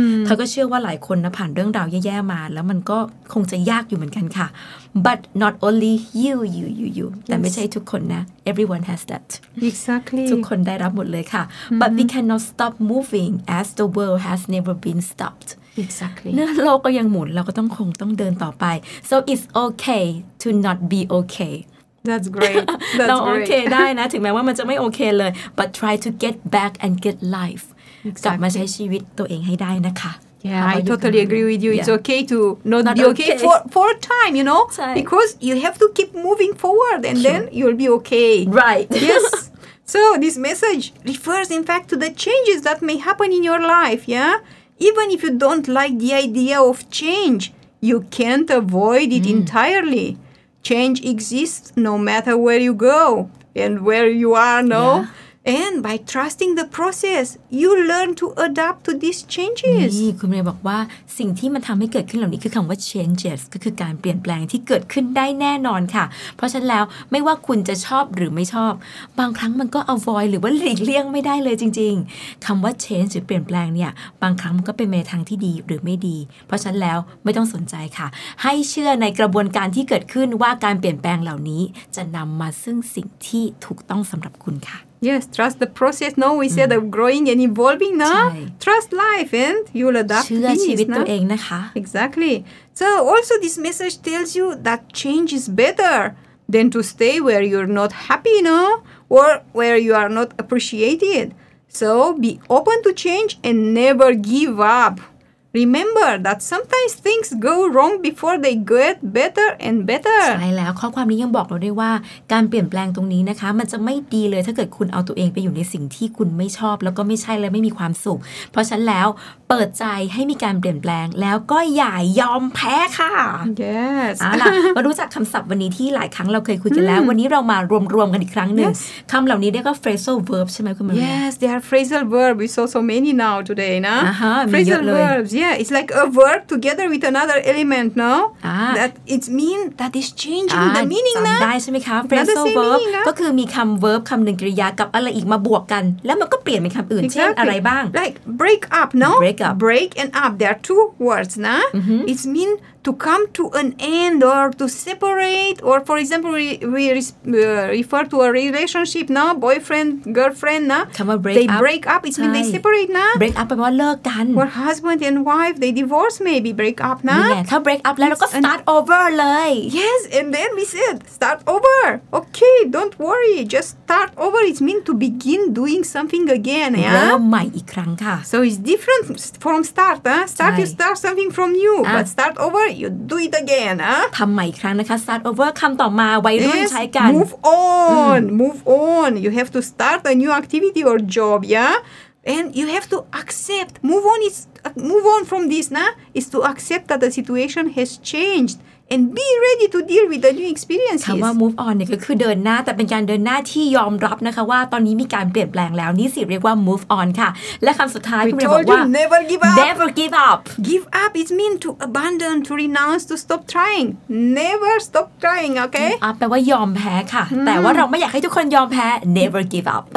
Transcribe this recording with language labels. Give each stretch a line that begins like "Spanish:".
Thai: Toy ก็เชื่อว่าหลายคนนะผ่านเรื่องราวแย่ๆมาแล้วมันก็คงจะยากอยู่เหมือนกันค่ะ
English: But not only you. Yes.
Thai: แต่ไม่ใช่ทุกคนนะ
English: Everyone has that. Exactly.
Thai: ทุกคนได้รับหมดเลยค่ะ
English: But we cannot stop moving as the world has never been stopped. Exactly.
Thai: เนื้อโลกก็ยังหมุนเราก็ต้องคงต้องเดินต่อไป
English: So it's okay to not be okay. That's great.
Thai: เราโอเคได้นะถึงแม้ว่ามันจะไม่โอเคเลย
English: But try to get back and get life.
Thai: กลับมาใช้ชีวิตตัวเองให้ได้นะคะ
English: Yeah, I totally agree with you. It's okay to not be okay for a time, you know? Because you have to keep moving forward and then you'll be okay. Right. Yes. So this message refers in fact to the changes that may happen in your life, yeah? Even if you don't like the idea of change, you can't avoid it entirely. Change exists no matter where you go and where you are, no? Yeah. And by trusting the process, you learn to adapt to these changes.
Thai: นี่คุณเรียนบอกว่าสิ่งที่มันทำให้เกิดขึ้นเหล่านี้คือคำว่า changes ก็คือการเปลี่ยนแปลงที่เกิดขึ้นได้แน่นอนค่ะเพราะฉะนั้นแล้วไม่ว่าคุณจะชอบหรือไม่ชอบบางครั้งมันก็ avoid หรือว่าหลีกเลี่ยงไม่ได้เลยจริงๆคำว่า change หรือเปลี่ยนแปลงเนี่ยบางครั้งมันก็เป็นในทางที่ดีหรือไม่ดีเพราะฉะนั้นแล้วไม่ต้องสนใจค่ะให้เชื่อในกระบวนการที่เกิดขึ้นว่าการเปลี่ยนแปลงเหล่านี้จะนำมาซึ่งสิ่งที่ถูกต้องสำหรับคุณค่ะ
English: Yes, trust the process. No, we said of growing and evolving, no? Trust life and you'll adapt to it, no? Exactly. So also this message tells you that change is better than to stay where you're not happy, no? Or where you are not appreciated. So be open to change and never give up. Remember that sometimes things go wrong before they get better and better.
Thai: ใช่แล้วข้อความนี้ยังบอกเราด้วยว่าการเปลี่ยนแปลงตรงนี้นะคะมันจะไม่ดีเลยถ้าเกิดคุณเอาตัวเองไปอยู่ในสิ่งที่คุณไม่ชอบแล้วก็ไม่ใช่และไม่มีความสุขเพราะฉะนั้นแล้วเปิดใจให้มีการเปลี่ยนแปลงแล้วก็อย่ายอมแพ้ค่ะ
English: Yes.
Thai: เอาล่ะมารู้จักคำศัพท์วันนี้ที่หลายครั้งเราเคยคุยกันแล้ววันนี้เรามารวมๆกันอีกครั้งหนึ่ง คำเหล่านี้เรียกว่า phrasal verb ใช่ไหมคุณมาร์
English: Yes, they are phrasal verbs. We saw so many now today, นะ Phrasal verbs. Yeah, it's like a verb together with another element, no? That it mean that is changing the meaning, นะ
Thai: ได้ใช่ไหมคะ phrasal verb ก็คือมีคำ verb คำหนึ่งกริยากับอะไรอีกมาบวกกันแล้วมันก็เปลี่ยนเป็นคำอื่นเช่นอะไรบ้าง
English: Like break up, no? Break and up, there are two words, na? It mean to come to an end or to separate. Or, for example, we refer to a relationship, na? Boyfriend, girlfriend, na? Come on, break up. They break up, it means they separate, na?
Thai: Break up แปลว่าเลิกกัน
English: Or husband and wife, they divorce maybe, break up, na?
Thai: ถ้า break up แล้วก็ start over เลย
English: Yes, and then we said, start over. Okay, don't worry, just start over. It means to begin doing something again, ya?
Thai: เริ่มใหม่อีกครั้งค่ะ
English: So it's different. From start, Start you start something from new, but start over you do it again,
Thai: ทำใหม่อีกครั้งนะคะ start over คำต่อมาวัยรุ่นใช้กัน
English: move on you have to start a new activity or job, and you have to accept move on from this, is to accept that the situation has changed. And be ready to deal with the new experiences.
Thai: คำว่า move on เนี่ยก็คือเดินหน้าแต่เป็นการเดินหน้าที่ยอมรับนะคะว่าตอนนี้มีการเปลี่ยนแปลงแล้วนี่สิเรียกว่า move on ค่ะและคำสุดท้ายคุณเรียนบอกว่า
English: never give up. Give up it means to abandon, to renounce, to stop trying. Never stop trying, okay?
Thai: แปลว่ายอมแพ้ค่ะแต่ว่าเราไม่อยากให้ทุกคนยอมแพ้
English: never give up.